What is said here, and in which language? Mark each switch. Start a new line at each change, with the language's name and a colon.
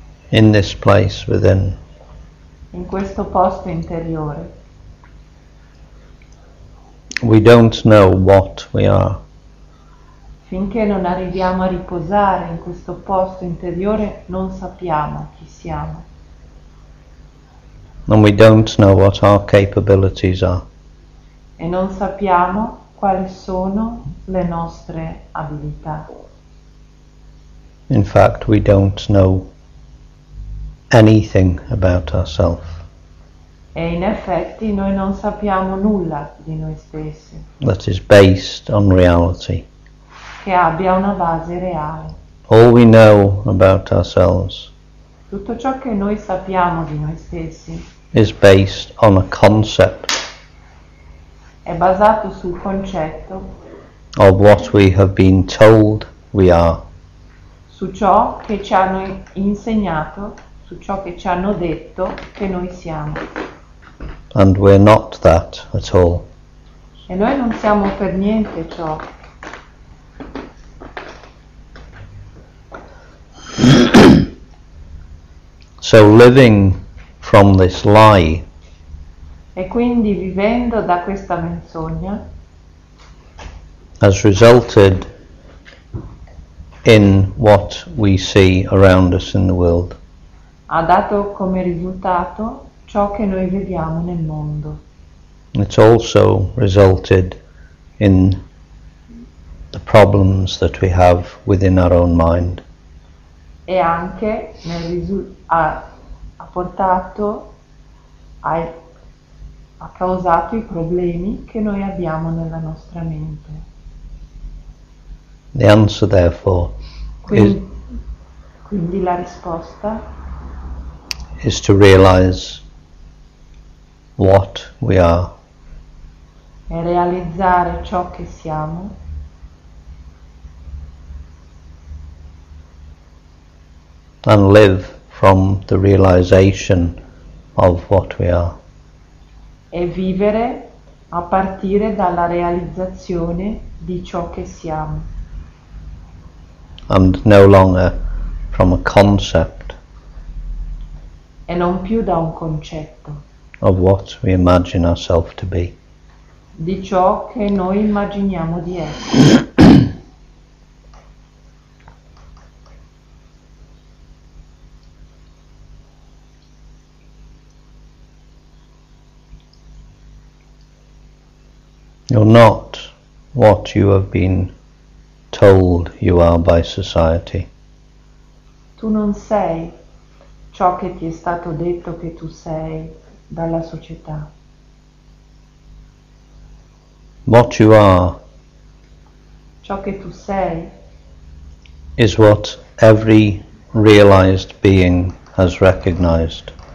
English: In this place within.
Italian: In questo posto interiore.
English: We don't know what we are.
Italian: Finché non arriviamo a riposare in questo posto interiore, non sappiamo chi siamo.
English: And we don't know what our capabilities are.
Italian: E non sappiamo quali sono le nostre abilità.
English: In fact, we don't know anything about ourselves.
Italian: E in effetti noi non sappiamo nulla di noi stessi.
English: That is based on reality.
Italian: Che abbia una base reale.
English: All we know about ourselves.
Italian: Tutto ciò che noi sappiamo di noi stessi.
English: Is based on a concept.
Italian: È basato sul concetto.
English: Of what we have been told we are.
Italian: Su ciò che ci hanno insegnato, su ciò che ci hanno detto che noi siamo.
English: And we're not that at all.
Italian: E noi non siamo per niente ciò.
English: So living from this lie.
Italian: E quindi vivendo da questa menzogna.
English: Has resulted in what we see around us in the world.
Italian: Ha dato come risultato ciò che noi vediamo nel mondo.
English: It's also resulted in the problems that we have within our own mind.
Italian: E anche nel ha portato ha causato i problemi che noi abbiamo nella nostra mente.
English: The answer, therefore,
Italian: quindi la risposta
English: is to realize what we are.
Italian: È realizzare ciò che siamo.
English: And live from the realization of what we are.
Italian: E vivere a partire dalla realizzazione di ciò che siamo.
English: And no longer from a concept.
Italian: E non più da un concetto.
English: Of what we imagine ourselves to be.
Italian: Di ciò che noi immaginiamo di essere.
English: You're not what you have been told you are by society.
Italian: Tu non sei ciò che ti è stato detto che tu sei dalla società.
English: What you are.
Italian: Ciò che tu sei.
English: Is what every realized being has recognized.